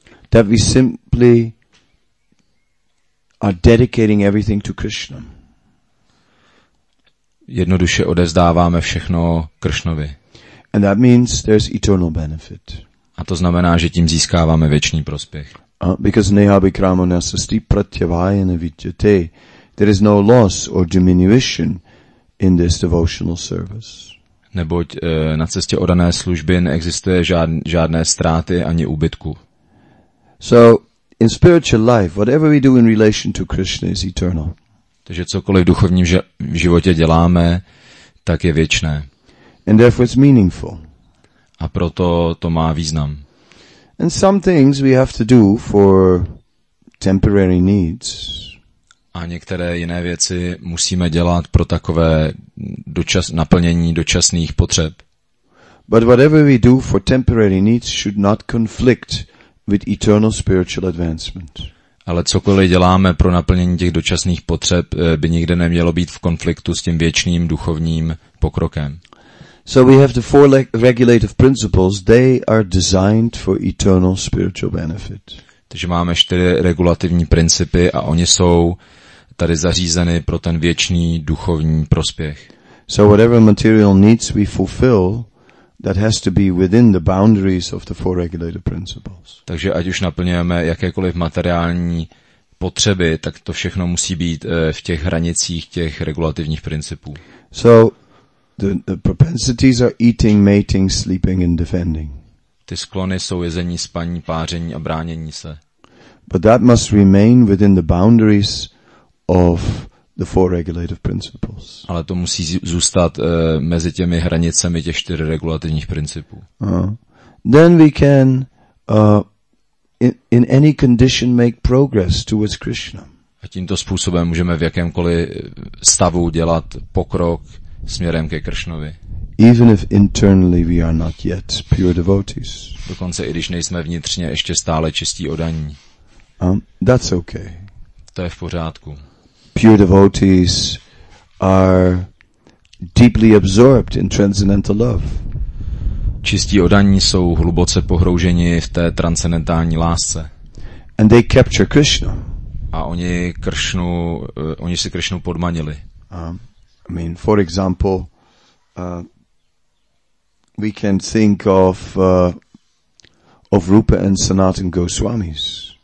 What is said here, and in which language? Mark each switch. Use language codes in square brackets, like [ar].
[en] That we simply are dedicating everything to Krishna. [cs] Jednoduše odevzdáváme všechno Krishnovi. [en] And that means there's eternal benefit. [cs] A to znamená, že tím získáváme věčný prospěch. [en] Because [sa] neha bikrama nasasti pratyavayana vidyate. [en] There is no loss or diminution in this devotional service. [cs] Neboť na cestě odané služby neexistuje žádné ztráty ani úbytku. [en] So in spiritual life, whatever we do in relation to Krishna is eternal. [cs] Takže cokoliv v duchovním životě děláme, tak je věčné. [en] And therefore it's meaningful. [cs] A proto to má význam. [en] And some things we have to do for temporary needs. [cs] A některé jiné věci musíme dělat pro takové naplnění dočasných potřeb. [en] But whatever we do for temporary needs should not conflict with eternal spiritual advancement. [cs] Ale cokoliv děláme pro naplnění těch dočasných potřeb, by nikde nemělo být v konfliktu s tím věčným duchovním pokrokem. [en] So we have the four regulative principles, they are designed for eternal spiritual benefit. [cs] Takže máme čtyři regulativní principy a oni jsou tady zařízeny pro ten věčný duchovní prospěch. [en] So whatever material needs we fulfill, that has to be within the boundaries of the four regulative principles. [cs] Takže ať už naplňujeme jakékoliv materiální potřeby, tak to všechno musí být v těch hranicích těch regulativních principů. [en] So the propensities are eating, mating, sleeping and defending. [cs] Ty sklony jsou jezení, spaní, páření a bránění se. [en] But that must remain within the boundaries of the four regulative principles. [cs] Ale to musí zůstat mezi těmi hranicemi těch čtyř regulativních principů. [en] then we can in any condition make progress towards Krishna. [cs] A tímto způsobem můžeme v jakémkoliv stavu dělat pokrok směrem ke Kršnovi. [en] Even if internally we are not yet pure devotees. [cs] Dokonce i když nejsme vnitřně ještě stále čistí odaní. [en] That's okay. [cs] To je v pořádku. [en] Pure devotees are deeply absorbed in transcendental love. [cs] Čistí odaní jsou hluboce pohrouženi v té transcendentální lásce. [en] And they capture Krishna. [cs] A oni Kršnu, oni si Kršnu podmanili. [en] I mean, for example, we can think of Rupa and Sanatan Goswamis.